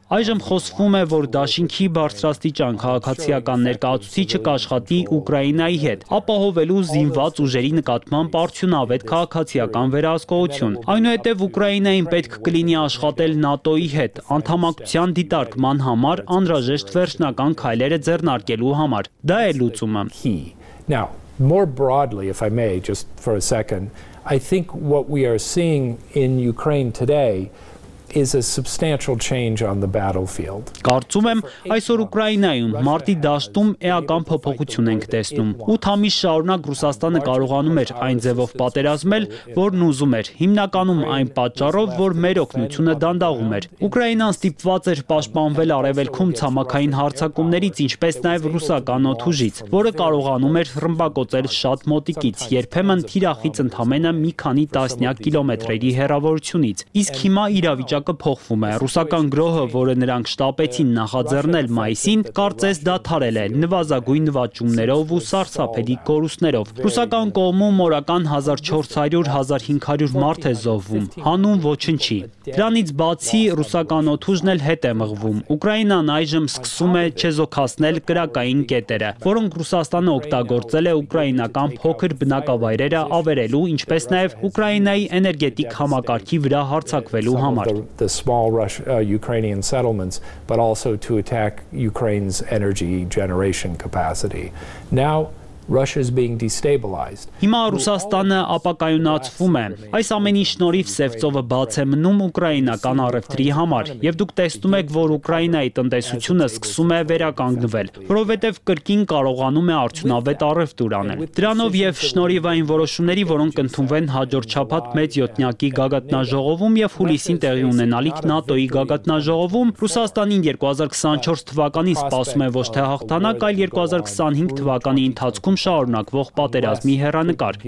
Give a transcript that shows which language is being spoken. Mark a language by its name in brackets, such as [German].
[Armenian] Այժմ խոսվում է, որ Դաշնքի բարձրաստիճան քաղաքացիական ներկայացուցիչը կաշխատի Ուկրաինայի հետ, ապահովելու զինված ուժերի նկատմամբ արդյունավետ քաղաքացիական վերահսկողություն։ Այնուհետև Ուկրաինային պետք կլինի աշխատել ՆԱՏՕ-ի հետ անդամակցության դիտարկման համար անհրաժեշտ վերջնական քայլերը ձեռնարկելու համար։ Դա է լուծումը։ [English] Now, more broadly, if I may, just for a second, I think what we are seeing in Ukraine today is a substantial change on the battlefield. [Armenian] Կարծում եմ, այսօր Ուկրաինայում մարտի դաշտում էական փոփոխություն ենք տեսնում։ 8 ամիս շարունակ Ռուսաստանը կարողանում էր այն ձևով պատերազմել, որն ուզում էր, հիմնականում այն պատճառով, որ մեր օգնությունը դանդաղում էր։ Ուկրաինան ստիպված էր պաշտպանվել արևելքում ցամաքային հարձակումներից, ինչպես նաև ռուսական օթուժից, որը կարողանում էր ռմբակոծել շատ մոտիկից, երբեմն թիրախից ընդամենը մի քանի տասնյակ կիլոմետրերի հեռավորությունից։ Իսկ հիմա իրավիճակը փոխվում է։ Ռուսական գրոհը, որը նրանք շտապեցին նախաձեռնել մայիսին, կարծես դադարել է նվազագույն նվաճումներով ու սարսափելի կորուստներով։ Ռուսական կողմում օրական 1400-1500 մարդ է զոհվում, հանուն ոչնչի։ Դրանից բացի ռուսական օթուժն էլ հետ է մղվում։ Ուկրաինան այժմ սկսում է չեզոքացնել կրակային կետերը, որոնք Ռուսաստանը օգտագործել է ուկրաինական փոքր բնակավայրերը ավերելու, ինչպես նաև Ուկրաինայի էներգետիկ համակարգի վրա հարձակվելու համար. [English] The small Ukrainian settlements, but also to attack Ukraine's energy generation capacity. Now, Russia is being destabilized. [Armenian] Հիմա Ռուսաստանը ապակայունացվում է։ Այս ամենի շնորհիվ Սևծովը բաց է մնում ուկրաինական առևտրի համար, եւ դուք տեսնում եք, որ Ուկրաինայի տնտեսությունը սկսում է վերականգնվել, որովհետեւ կրկին կարողանում է արդյունավետ առևտ ունենալ։ Դրանով եւ շնորհիվային որոշումների, որոնք ընդունվեն հաջորդ շաբաթ մեծ յոթնյակի գագաթնաժողովում եւ հուլիսին տեղի ունենալիք ՆԱՏՕ-ի գագաթնաժողովում, Ռուսաստանին 2024 թվականին սպասում է ոչ թե հաղթանակ, այլ 2025 թվականի ընթացքում շարունակվող պատերազմի հեռանկար,